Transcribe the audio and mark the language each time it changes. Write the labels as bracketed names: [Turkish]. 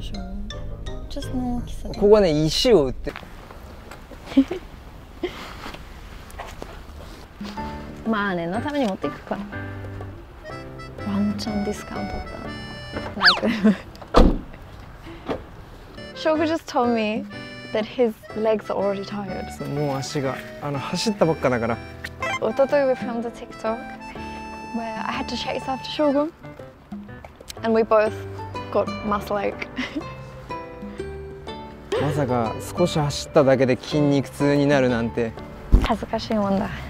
[Japanese] ちょっとその大きさで、ここはね、石を売ってまあ念のために持っていくか。ワンチャンディスカウントだな。 [English] Shogu just told me that his legs are already tired. [Japanese] そう、もう足が、走ったばっかだから。おととい、 [English] we filmed a TikTok where I had to chase after Shogu and we both got muscle ache. [Japanese] まさか少し走っただけで筋肉痛になるなんて。恥ずかしいもんだ。